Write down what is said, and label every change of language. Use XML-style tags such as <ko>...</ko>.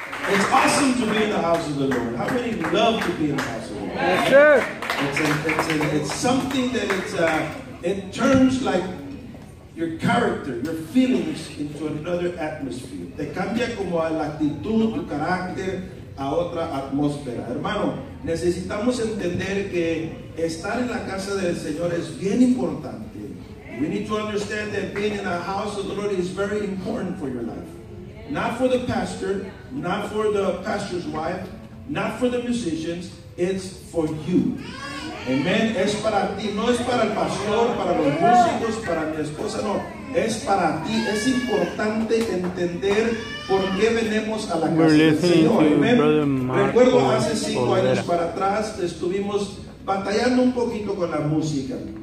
<en>It's awesome to be in the house of the Lord. How many love to be in the house of the Lord? Yes, sir. It's something that it turns like your character, your feelings into another atmosphere.</en> <es>Te cambia como a la actitud, tu carácter, a otra atmósfera. Hermano, necesitamos entender que estar en la casa del Señor es bien importante.</es> <en>We need to understand that being in the house of the Lord is very important for your life. Not for the pastor, not for the pastor's wife, not for the musicians, it's for you. Amen.</en> <es>Es para ti, no es para el pastor, para los músicos, para mi esposa, no. Es para ti. Es importante entender por qué venimos a la casa del Señor. Amen. Recuerdo hace 5 años para atrás estuvimos batallando un poquito con la música.</es>